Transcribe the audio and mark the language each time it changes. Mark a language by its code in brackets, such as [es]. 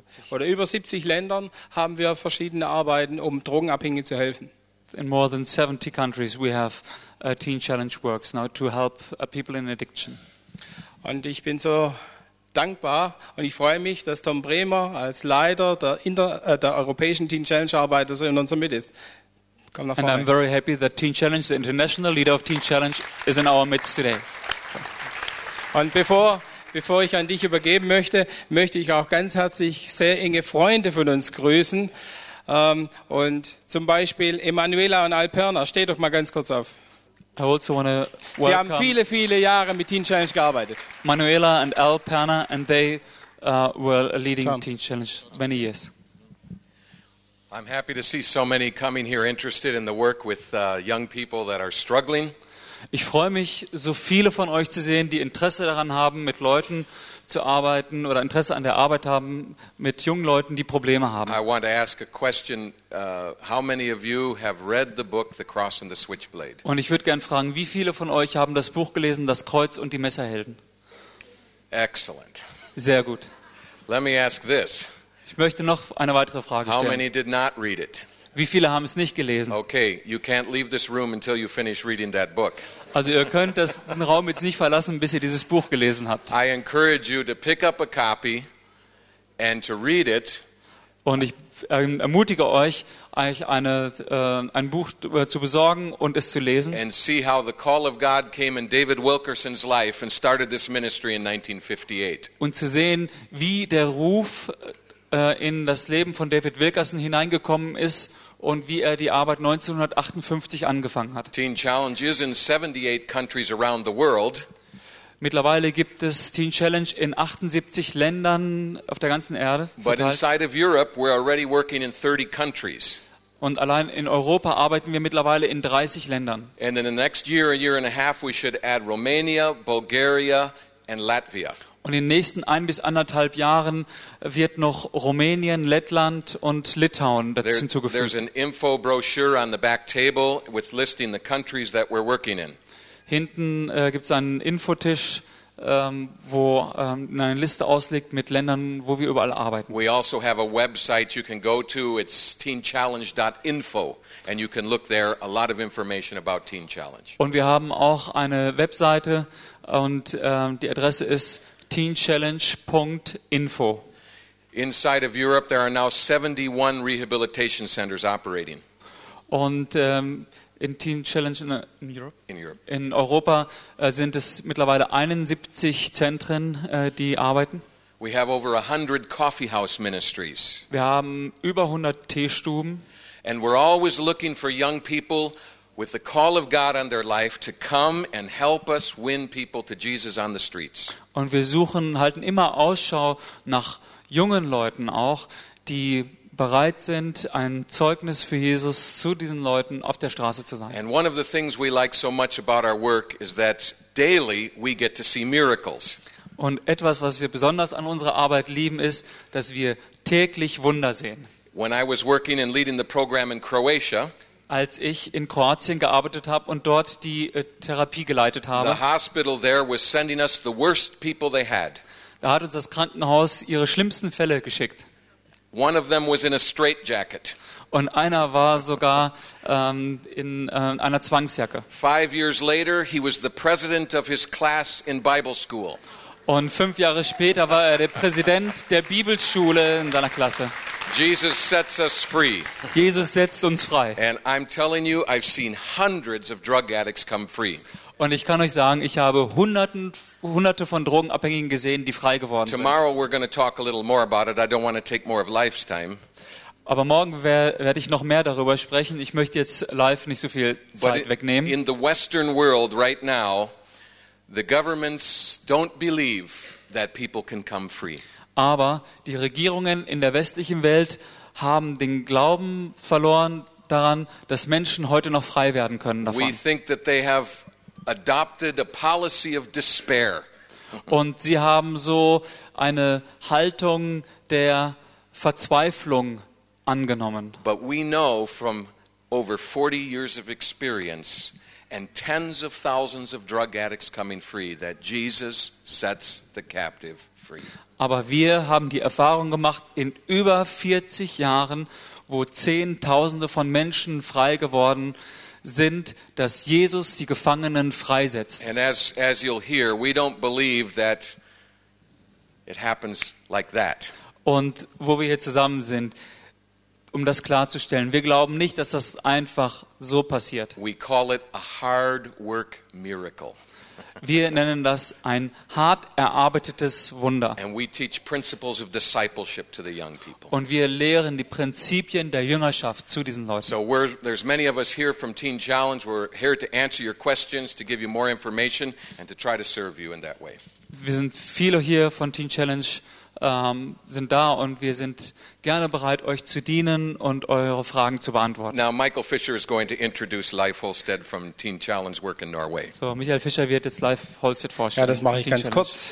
[de] Über 70 Ländern haben wir verschiedene Arbeiten, um Drogenabhängigen zu helfen. [en] In more than 70 countries we have Teen Challenge works now to help people in addiction. [de] Und ich bin so dankbar und ich freue mich, dass Tom Bremer als Leiter der europäischen Teen Challenge Arbeit so in unserem Mitte ist. Komm nach vorne. [en] And I'm very happy that Teen Challenge, the international leader of Teen Challenge, is in our midst today. [de] Und bevor ich an dich übergeben möchte, möchte ich auch ganz herzlich sehr enge Freunde von uns grüßen. Und zum Beispiel Emanuela und Alperna, steht doch mal ganz kurz auf. [en] I also want to welcome. [de] Sie haben viele, viele Jahre mit Teen Challenge gearbeitet. [en] Manuela and Alperna, and they were leading Tom. Teen Challenge many years. I'm happy to see so many coming here interested in the work with young people that are struggling. [de] Ich freue mich, so viele von euch zu sehen, die Interesse daran haben, mit Leuten zu arbeiten oder Interesse an der Arbeit haben, mit jungen Leuten, die Probleme haben. [en] I want to ask a question. How many of you have read the book The Cross and the Switchblade? [de] Und ich würde gerne fragen, wie viele von euch haben das Buch gelesen, Das Kreuz und die Messerhelden? [en] Excellent. [de] Sehr gut. [en] Let me ask this. [de] Ich möchte noch eine weitere Frage stellen. [en] How many did not read it? [de] Wie viele haben es nicht gelesen? [en] Okay, you can't leave this room until you finish reading that book. [de] Also ihr könnt diesen Raum jetzt nicht verlassen, bis ihr dieses Buch gelesen habt. [en] I encourage you to pick up a copy and to read it. [de] Und ich ermutige euch ein Buch zu besorgen und es zu lesen. [en] And see how the call of God came in David Wilkerson's life and started this ministry in 1958. [de] Und zu sehen, wie der Ruf in das Leben von David Wilkerson hineingekommen ist und wie er die Arbeit 1958 angefangen hat. [en] Teen Challenge is in 78 countries around the world. [de] Mittlerweile gibt es Teen Challenge in 78 Ländern auf der ganzen Erde. [en] But inside of Europe, we're already working in 30 countries. [de] Und allein in Europa arbeiten wir mittlerweile in 30 Ländern. [en] And in the next year, a year and a half, we should add Romania, Bulgaria and Latvia. [de] Und in den nächsten ein bis anderthalb Jahren wird noch Rumänien, Lettland und Litauen dazu hinzugefügt. [en] There's an info brochure on the back table with listing the countries that we're working in. [de] Hinten gibt's einen Infotisch, wo eine Liste ausliegt mit Ländern, wo wir überall arbeiten. [en] We also have a website you can go to. It's teenchallenge.info. And you can look there a lot of information about Teen Challenge. [de] Und wir haben auch eine Webseite und die Adresse ist teenchallenge.info. [en] Inside of Europe there are now 71 rehabilitation centers operating. [de] Und in Teen Challenge in Europe? [en] In Europe. [de] In Europa sind es mittlerweile 71 Zentren, die arbeiten. [en] We have over 100 coffee house ministries. [de] Wir haben über 100 Teestuben. [en] And we're always looking for young people with the call of God on their life to come and help us win people to Jesus on the streets. [de] Und wir suchen, halten immer Ausschau nach jungen Leuten auch, die bereit sind, ein Zeugnis für Jesus zu diesen Leuten auf der Straße zu sein. [en] And one of the things we like so much about our work is that daily we get to see miracles. [de] Und etwas, was wir besonders an unserer Arbeit lieben, ist, dass wir täglich Wunder sehen. [en] When I was working and leading the program in Croatia, [de] als ich in Kroatien gearbeitet habe und dort die Therapie geleitet habe, [en] the hospital there was sending us the worst people they had. [de] Da hat uns das Krankenhaus ihre schlimmsten Fälle geschickt. [en] One of them was in a straitjacket. [de] Und einer war sogar in einer Zwangsjacke. [en] 5 years later, he was the president of his class in Bible school. [de] Und 5 Jahre später war er der Präsident der Bibelschule in seiner Klasse. [en] Jesus sets us free. [de] Jesus setzt uns frei. [en] And I'm telling you, I've seen hundreds of drug addicts come free. [de] Und ich kann euch sagen, ich habe hunderte von Drogenabhängigen gesehen, die frei geworden sind. [en] Tomorrow we're going to talk a little more about it. I don't want to take more of life's time. [de] Aber morgen werde ich noch mehr darüber sprechen. Ich möchte jetzt live nicht so viel Zeit wegnehmen. [en] In the Western world right now, the governments don't believe that people can come free. [de] Aber die Regierungen in der westlichen Welt haben den Glauben verloren daran, dass Menschen heute noch frei werden können davon. [en] We think that they have adopted a policy of despair. [de] Und sie haben so eine Haltung der Verzweiflung angenommen. [en] But we know from over 40 years of experience and tens of thousands of drug addicts coming free that Jesus sets the captive free. [de] Aber wir haben die Erfahrung gemacht in über 40 Jahren, wo Zehntausende von Menschen frei geworden sind, dass Jesus die Gefangenen freisetzt. [en] And as you'll hear, we don't believe that it happens like that. [de] Und wo wir hier zusammen sind, um das klarzustellen, wir glauben nicht, dass das einfach so passiert. [en] We call it a hard work miracle. [de] Wir nennen das ein hart erarbeitetes Wunder. [en] And we teach principles of discipleship to the young people. [de] Und wir lehren die Prinzipien der Jüngerschaft zu diesen Leuten. [en] So there's many of us here from Teen Challenge. We're here to answer your questions, to give you more information and to try to serve you in that way. [de] Wir sind viele hier von Teen Challenge, sind da und wir sind gerne bereit, euch zu dienen und eure Fragen zu beantworten. [en] Now Michael Fischer is going to introduce Leif Holsted from Teen Challenge work in Norway. [de] So, Michael Fischer wird jetzt Leif Holsted vorstellen. Ja, das mache ich ganz kurz.